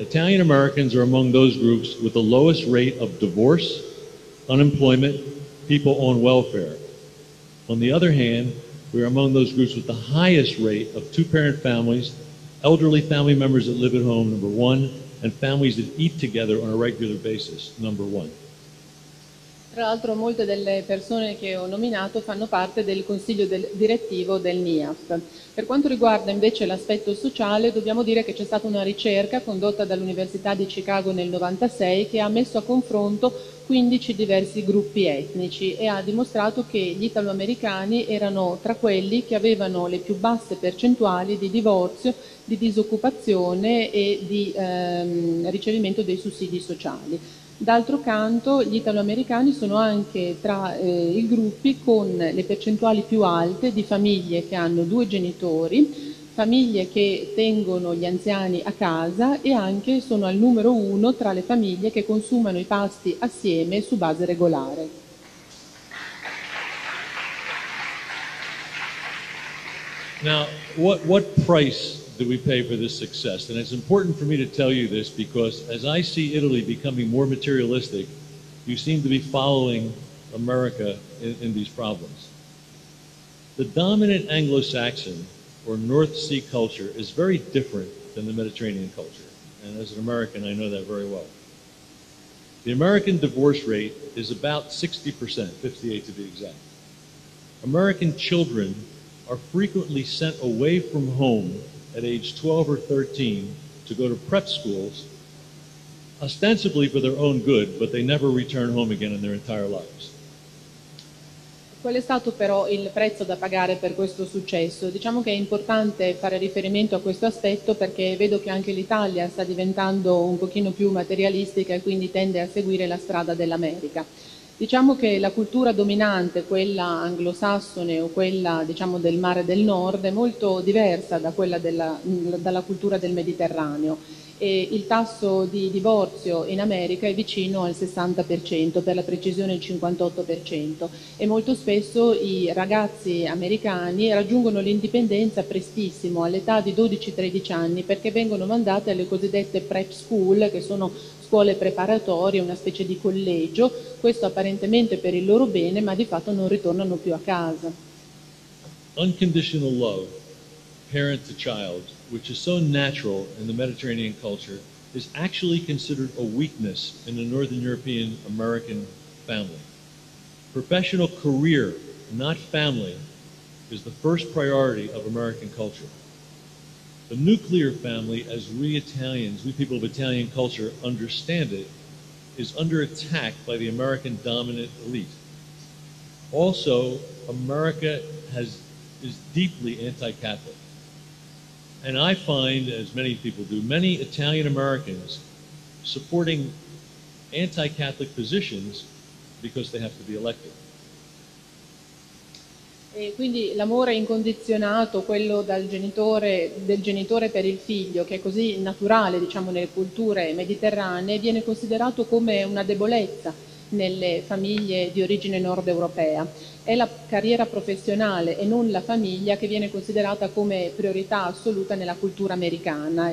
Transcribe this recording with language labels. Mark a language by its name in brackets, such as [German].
[English] Italian Americans are among those groups with the lowest rate of divorce, unemployment, people on welfare. On the other hand, we are among those groups with the highest rate of two-parent families, elderly family members that live at home, number one, and families that eat together on a regular basis, number one. [Italian] Tra l'altro molte delle persone che ho nominato fanno parte del consiglio direttivo del NIAF. Per quanto riguarda invece l'aspetto sociale, dobbiamo dire che c'è stata una ricerca condotta dall'Università di Chicago nel 96 che ha messo a confronto 15 diversi gruppi etnici e ha dimostrato che gli italoamericani erano tra quelli che avevano le più basse percentuali di divorzio, di disoccupazione e di ricevimento dei sussidi sociali. D'altro canto, gli italoamericani sono anche tra i gruppi con le percentuali più alte di famiglie che hanno due genitori, famiglie che tengono gli anziani a casa e anche sono al numero uno tra le famiglie che consumano i pasti assieme su base regolare. [English] Now, what price do we pay for this success? And it's important for me to tell you this because as I see Italy becoming more materialistic, you seem to be following America in these problems. The dominant Anglo-Saxon or North Sea culture is very different than the Mediterranean culture. And as an American, I know that very well. The American divorce rate is about 60%, 58 to be exact. American children are frequently sent away from home at age 12 or 13 to go to prep schools, ostensibly for their own good, but they never return home again in their entire lives. [Italian] Qual è stato però il prezzo da pagare per questo successo? Diciamo che è importante fare riferimento a questo aspetto perché vedo che anche l'Italia sta diventando un pochino più materialistica e quindi tende a seguire la strada dell'America. Diciamo che la cultura dominante, quella anglosassone o quella diciamo del mare del nord, è molto diversa da quella dalla cultura del Mediterraneo e il tasso di divorzio in America è vicino al 60%, per la precisione il 58%, e molto spesso i ragazzi americani raggiungono l'indipendenza prestissimo, all'età di 12-13 anni, perché vengono mandati alle cosiddette prep school, che sono scuole preparatorie, una specie di collegio, questo apparentemente per il loro bene, ma di fatto non ritornano più a casa. [English] Unconditional love, parent to child, which is so natural in the Mediterranean culture, is actually considered a weakness in the Northern European American family. Professional career, not family, is the first priority of American culture. The nuclear family, as we Italians, we people of Italian culture, understand it, is under attack by the American dominant elite. Also, America is deeply anti-Catholic. And I find, as many people do, many Italian Americans supporting anti-Catholic positions because they have to be elected. [Italian] E quindi l'amore incondizionato, quello del genitore per il figlio, che è così naturale, diciamo, nelle culture mediterranee, viene considerato come una debolezza nelle famiglie di origine nord europea. È la carriera professionale e non la famiglia che viene considerata come priorità assoluta nella cultura americana.